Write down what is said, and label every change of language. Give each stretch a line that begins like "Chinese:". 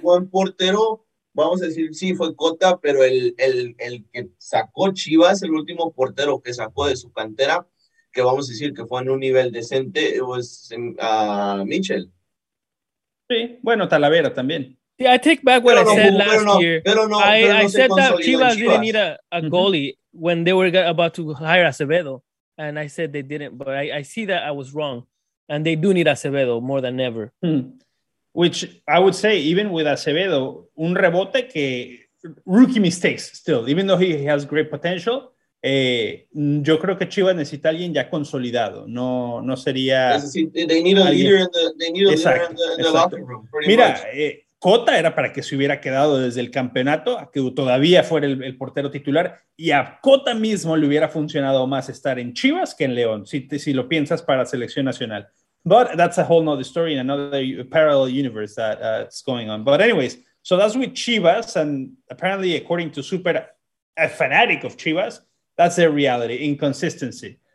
Spanish: buen portero, vamos a decir, sí, fue Cota, pero el que sacó Chivas, el último portero que sacó de su cantera, que vamos a decir que fue en un nivel decente, was Mitchell. Sí, bueno, Talavera también.
English: Sí, I take back what I said last year. I said that Chivas didn't need a goalie when they were about to hire Acevedo, and I said they didn't, but I see that I was wrong, and they do need Acevedo more than ever. Hmm. Which I would say, even with Acevedo,
Spanish: un rebote que
English: rookie mistakes still, even though he has great potential.
Spanish: Yo creo que Chivas necesita alguien ya consolidado. No sería.
English: They need a leader in the locker room.
Spanish: Mira, Cota era para que se hubiera quedado desde el campeonato, a que todavía fuera el portero titular, y a Cota mismo le hubiera funcionado más estar en Chivas que en León, si lo piensas para selección nacional.
English: But that's a whole other story in another parallel universe that is going on. But anyways, so that's with Chivas, and apparently, according to Super, a fanatic of Chivas, that's their reality, inconsistency.